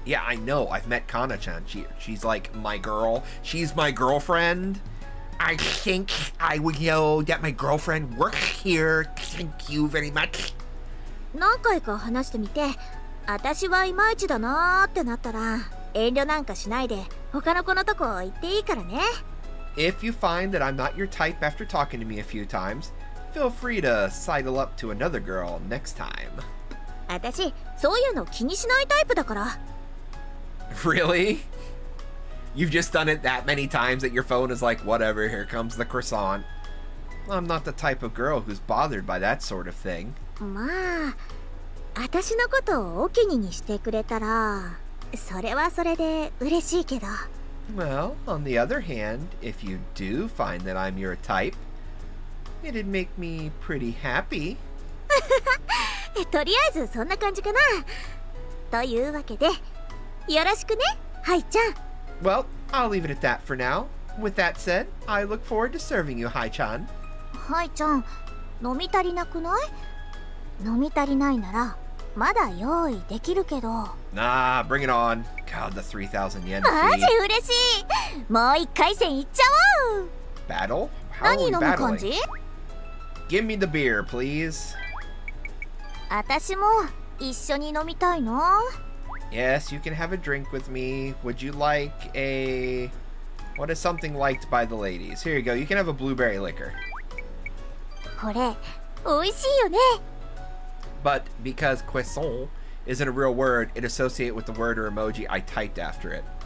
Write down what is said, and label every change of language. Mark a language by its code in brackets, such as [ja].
[en] Yeah, I know. I've met Kana-chan. She's like my girl. She's my girlfriend. I think I would know that my girlfriend works here. Thank you very much. I've talked to her a few times. If I'm not sure, [ja] 遠慮なんかしないで他の子のとこ行っていいからね。 [en] If you find that I'm not your type after talking to me a few times, feel free to sidle up to another girl next time. [ja] 私、そういうの気にしないタイプだから。 [en] Really? You've just done it that many times that your phone is like, whatever, here comes the croissant. I'm not the type of girl who's bothered by that sort of thing. [ja] まあ、私のことをお気ににしてくれたら、それはそれで嬉しいけど。 [en] Well, on the other hand, if you do find that I'm your type, it'd make me pretty happy. [ja] とりあえずそんな感じかな。というわけで、よろしくね、ハイちゃん。 [en] Well, I'll leave it at that for now. With that said, I look forward to serving you, Hai-chan. [ja] Hai-chan, 飲み足りなくない？飲み足りないなら、まだ用意できるけど。 [en] Nah, bring it on. God, the 3,000 yen [ja] fee. マジ嬉しい！もう一回戦行っちゃおう！ [en] Battle? How are we battling? Give me the beer, please. [ja] あたしも一緒に飲みたいな。 [en] Yes, you can have a drink with me. Would you like a... What is something liked by the ladies? Here you go, you can have a blueberry liquor. [ja] これ、美味しいよね。 [en] But because croissant isn't a real word, it associates with the word or emoji I typed after it.